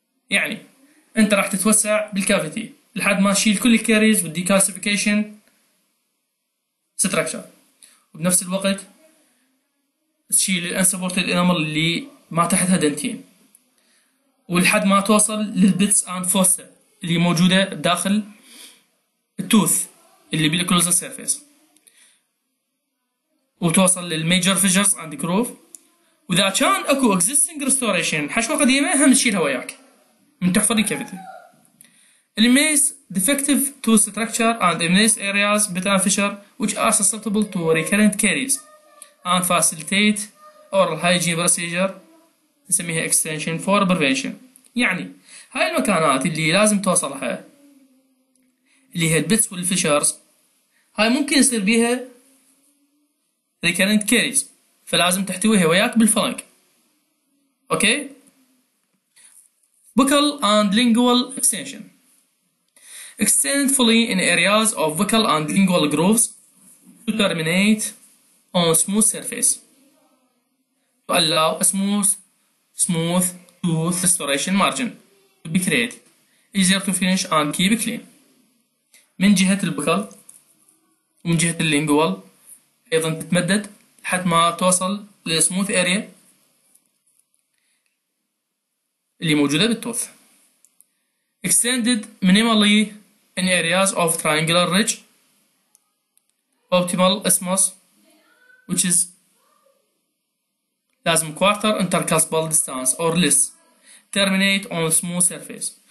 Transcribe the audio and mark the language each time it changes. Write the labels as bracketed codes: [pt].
[ar] يعني انت راح تتوسع بالكافيتي لحد ما تشيل كل الكاريز والديكالسيفيكيشن ستراكشر، وبنفس الوقت تشيل الانسبورتد انامل اللي ما تحتها دنتين ولحد ما توصل للبيتس اند فوسا اللي موجوده داخل التوث اللي بالكلوزال سيرفيس وتوصل للميجر فيجرز اند جروف. واذا كان اكو اكزيستنج ريستوريشن حشوه قديمه هم تشيلها وياك من تحفظ الكافيتي. [en] Eliminate defective tooth structure and eliminate areas with an fissure which are susceptible to recurrent caries and facilitate oral hygiene procedure [ar] نسميها [en] extension for prevention. [ar] يعني هاي المكانات اللي لازم توصلها اللي هي البتس والفيشرز هاي ممكن يصير بيها recurrent caries فلازم تحتويها وياك بالفلنك. [en] Okay Buccal and lingual extension. Extend fully in areas of buccal and lingual grooves to terminate on smooth surface. To allow a smooth tooth restoration margin to be created. Easier to finish and keep clean. [ar] من جهة البكال ومن جهة اللينجوال أيضا تتمدد حتى ما توصل للسموث أريا اللي موجودة بالتوث. [en] Extended minimally in areas of triangular ridge. Optimal isthmus which is [ar] لازم [en] quarter intercuspal distance or less. Terminate on smooth surface.